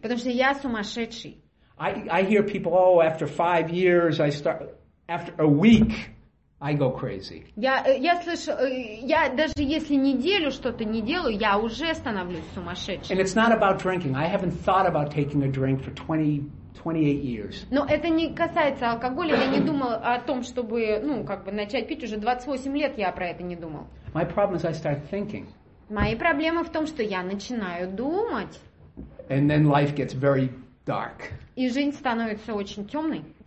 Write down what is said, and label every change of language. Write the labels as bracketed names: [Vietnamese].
[Russian] Потому что я сумасшедший. [English] I hear people, oh, after 5 years, I start, after a week, I go crazy. [Russian] Я слышу, я даже если неделю что-то не делаю, я уже становлюсь сумасшедшим. [English] And it's not about drinking. I haven't thought about taking a drink for 28 years. [Russian] Но это не касается алкоголя. Я не думал о том, чтобы, ну, как бы начать пить. Уже 28 лет я про это не думал. [English] My problem is I start thinking. [Russian] Мои проблемы в том, что я начинаю думать. [English] And then life gets very dark. [Russian] И жизнь становится очень темной.